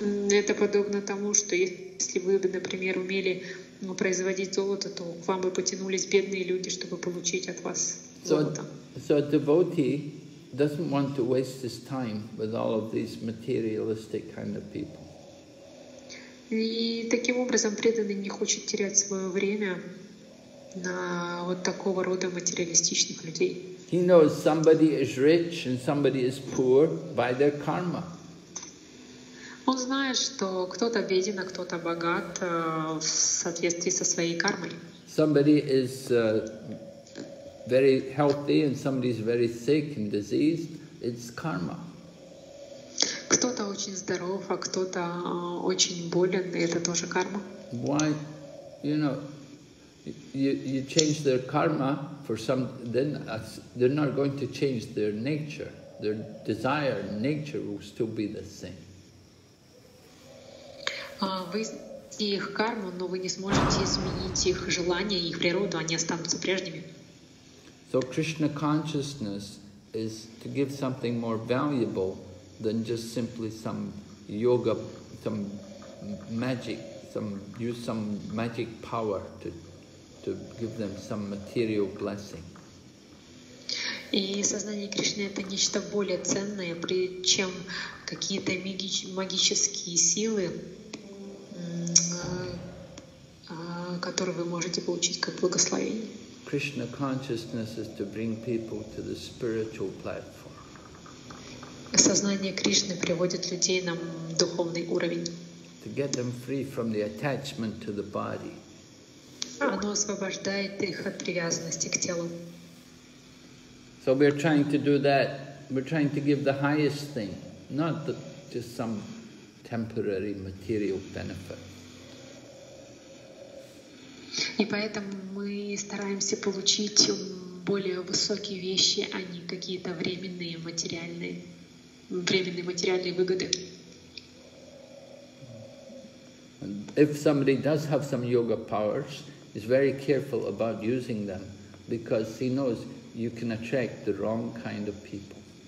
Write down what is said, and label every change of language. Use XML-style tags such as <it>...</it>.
<ru>Это подобно тому, что если вы бы, например, умели производить золото, то к вам бы потянулись бедные люди, чтобы получить от вас золото.</ru> <en>So a devotee doesn't want to waste his time with all of these materialistic kind of people.</en> <ru>И таким образом преданный не хочет терять свое время на вот такого рода материалистичных людей.</ru> <en>He knows somebody is rich and somebody is poor by their karma.</en> <ru>Он знает, что кто-то беден, а кто-то богат в соответствии со своей кармой.</ru> <en>Somebody is very healthy and somebody is very sick and diseased. It's karma.</en> <ru>Кто-то очень здоров, а кто-то очень болен, и это тоже карма.</ru> <en>Why, you know, you change their karma for some, then they're not going to change their nature. Their desire, nature will still be the same.</en> <ru>Вы измените их карму, но вы не сможете изменить их желания, их природу, они останутся прежними.</ru> <en>So Krishna consciousness is to give something more valuable than just simply some yoga, some magic power to give them some material blessing.</en> <ru>И сознание Кришны — это нечто более ценное, чем какие-то магические силы, которые вы можете получить как благословение.</ru> <en>Krishna consciousness is to bring people to the spiritual platform.</en> <ru>Сознание Кришны приводит людей на духовный уровень.</ru> <en>To get them free from the attachment to the body.</en> <ru>Оно освобождает их от привязанности к телу.</ru> <en>So we're trying to do that. We're trying to give the highest thing, not just some temporary material benefit.</en> <ru>И поэтому мы стараемся получить более высокие вещи, а не какие-то временные материальные. Временные материальные выгоды.</ru> <en>If somebody does have some yoga powers, he's very careful about using them, because he knows you can attract the wrong kind of people.</en>